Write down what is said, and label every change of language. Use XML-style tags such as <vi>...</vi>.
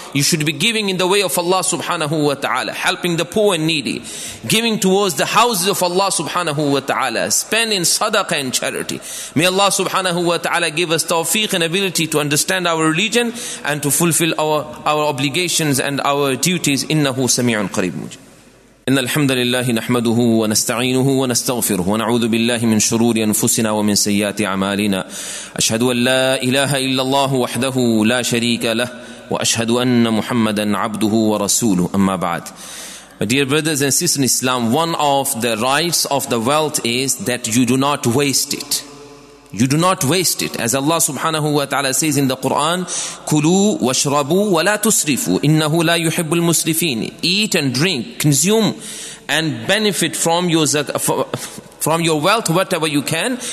<en>You should be giving in the way of Allah subhanahu wa ta'ala, helping the poor and needy, giving towards the houses of Allah subhanahu wa ta'ala, spending sadaqah and charity. May Allah subhanahu wa ta'ala give us tawfiq and ability to understand our religion and to fulfill our obligations and our duties.</en> <ar>Innahu sami'un qareeb mujib. إن الحمد لله نحمده ونستعينه ونستغفره ونعوذ بالله من شرور أنفسنا ومن سيئات أعمالنا. أشهد أن لا إله إلا الله وحده لا شريك له وأشهد أن محمدا عبده ورسوله. أما بعد.</ar> <en>My dear brothers and sisters in Islam, one of the rights of the wealth is that you do not waste it. You do not waste it. As Allah subhanahu wa ta'ala says in the Quran,</en> <ar>كُلُوا وَشْرَبُوا وَلَا تُسْرِفُوا إِنَّهُ لَا يُحِبُّ الْمُسْرِفِينَ.</ar> <en>Eat and drink, consume and benefit from your wealth whatever you can.</en>